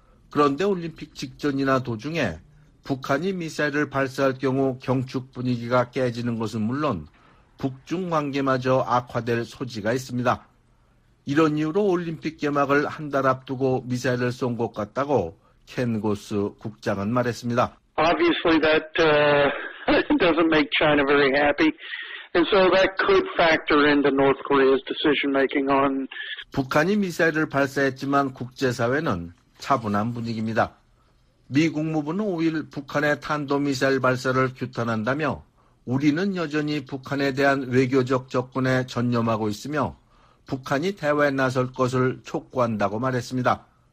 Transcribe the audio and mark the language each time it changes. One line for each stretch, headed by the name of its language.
Korean: 그런데 올림픽 직전이나 도중에 북한이 미사일을 발사할 경우 경축 분위기가 깨지는 것은 물론 북중 관계마저 악화될 소지가 있습니다. 이런 이유로 올림픽 개막을 한 달 앞두고 미사일을 쏜 것 같다고 켄 고스 국장은 말했습니다.
English: Obviously that doesn't make China very happy. And so that could factor into North Korea's decision making on
Korean: 북한이 미사일을 발사했지만 국제사회는 차분한 분위기입니다. 미 국무부는 5일 북한의 탄도미사일 발사를 규탄한다며 우리는 여전히 북한에 대한 외교적 접근에 전념하고 있으며 북한이 대화에 나설 것을 촉구한다고 말했습니다.